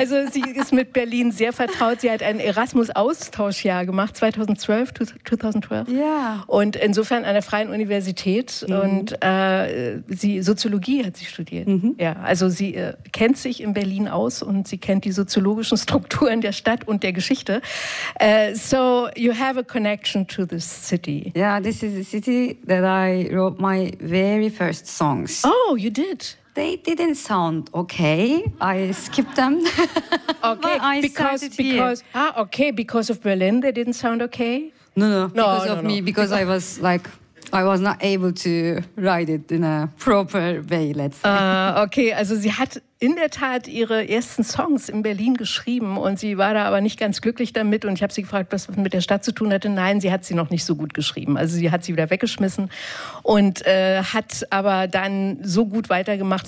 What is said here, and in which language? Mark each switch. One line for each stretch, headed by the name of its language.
German: Also sie ist mit Berlin sehr vertraut. Sie hat ein Erasmus-Austauschjahr gemacht, 2012. Ja. Yeah. Und insofern an der Freien Universität. Mm-hmm. Und sie Soziologie hat sie studiert. Mm-hmm. Ja, also sie kennt sich in Berlin aus und sie kennt die soziologischen Strukturen der Stadt und der Geschichte.
English: So you have a connection to this city. Yeah, this is a city that I wrote my very first songs. Oh, you did? They didn't sound okay. I skipped them. Okay, because of Berlin, they didn't sound okay? No, because I was like, I was not able to write it in a proper way, let's say.
German: Okay, also sie hat in der Tat ihre ersten Songs in Berlin geschrieben und sie war da aber nicht ganz glücklich damit und ich habe sie gefragt, was mit der Stadt zu tun hatte. Nein, sie hat sie noch nicht so gut geschrieben. Also sie hat sie wieder weggeschmissen und hat aber dann so gut weitergemacht.